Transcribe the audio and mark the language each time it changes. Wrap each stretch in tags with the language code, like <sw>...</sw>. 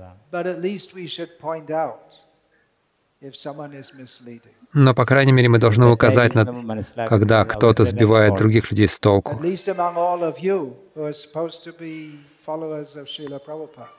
<en>But at least we should point out if someone is misleading.</en> <ru>Но по крайней мере мы должны указать на когда кто-то сбивает других людей с толку.</ru> <en>At least among all of you who are supposed to be followers of Srila Prabhupada.</en>